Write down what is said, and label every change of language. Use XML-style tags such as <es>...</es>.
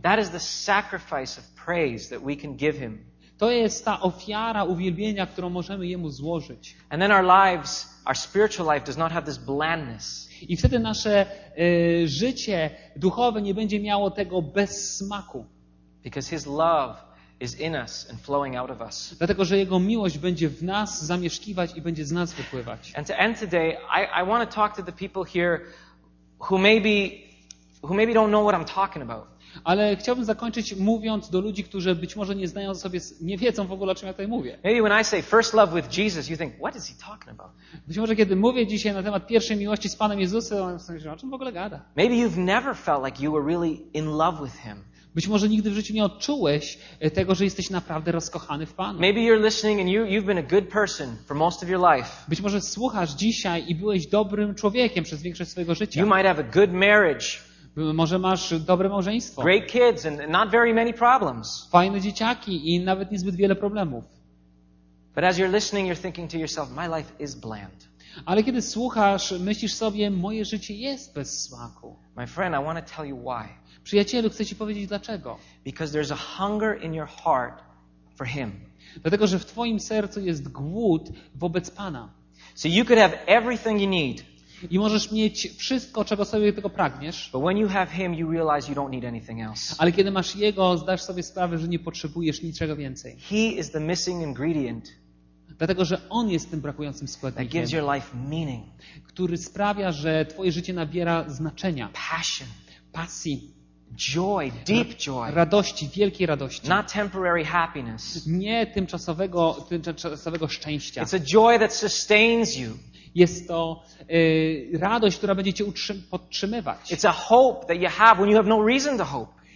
<en>That is the sacrifice of praise that we can give him.</en> <pl>To jest ta ofiara uwielbienia, którą możemy jemu złożyć.</pl> <en>And then our lives, our spiritual life does not have this blandness.</en> <pl>I wtedy nasze życie duchowe nie będzie miało tego bezsmaku.</pl> <en>Because his love is in us and flowing out of us.</en> <pl>Dlatego że jego miłość będzie w nas zamieszkiwać i będzie z nas wypływać.</pl> <en>And to end today, I want to talk to the people here who maybe don't know what I'm talking about.</en> <pl>Ale chciałbym zakończyć mówiąc do ludzi, którzy być może nie znają sobie, nie wiedzą w ogóle, o czym ja tutaj mówię.</pl> <en>Maybe when I say first love with Jesus, you think, what is he talking about?</en> <pl>Być może kiedy mówię dzisiaj na temat pierwszej miłości z Panem Jezusem, on sobie myśli, o czym w ogóle gada?</pl> <en>Maybe you've never felt like you were really in love with him.</en> <pl>Być może nigdy w życiu nie odczułeś tego, że jesteś naprawdę rozkochany w Panu.</pl> <en>Maybe you're listening and you've been a good person for most of your life.</en> <pl>Być może słuchasz dzisiaj i byłeś dobrym człowiekiem przez większość swojego życia.</pl> <en>You might have a good marriage.</en> <pl>Może masz dobre małżeństwo.</pl> <en>Great kids and not very many problems.</en> <pl>Fajne dzieciaki i nawet niezbyt wiele problemów.</pl> <en>But as you're listening, you're thinking to yourself, my life is bland.</en> <pl>Ale kiedy słuchasz, myślisz sobie, moje życie jest bez smaku.</pl> <en>My friend, I want to tell you why.</en> <pl>Przyjacielu, chcę ci powiedzieć dlaczego.</pl> <en>Because there's a hunger in your heart for him.</en> <pl>Dlatego że w twoim sercu jest głód wobec Pana.</pl> <en>So you could have everything you need.</en> <pl>I możesz mieć wszystko, czego sobie tego pragniesz.</pl> <en>But when you have him, you realize you don't need anything else.</en> <pl>Ale kiedy masz jego, zdasz sobie sprawę, że nie potrzebujesz niczego więcej.</pl> <en>He is the missing ingredient.</en> <pl>Dlatego że on jest tym brakującym składnikiem.</pl> <en>That gives your life meaning.</en> <pl>Który sprawia, że twoje życie nabiera znaczenia.</pl> <en>Passion.</en> <pl>Pasji.</pl> <en>Joy, deep joy.</en> <pl>Radości, wielkiej radości.</pl> <en>Not temporary happiness.</en> <pl>Nie tymczasowego szczęścia.</pl> <en>It's a joy that sustains you.</en> <pl>Jest to radość, która będzie cię podtrzymywać.</pl> <en>It's a hope that you have when you have no reason to hope.</en>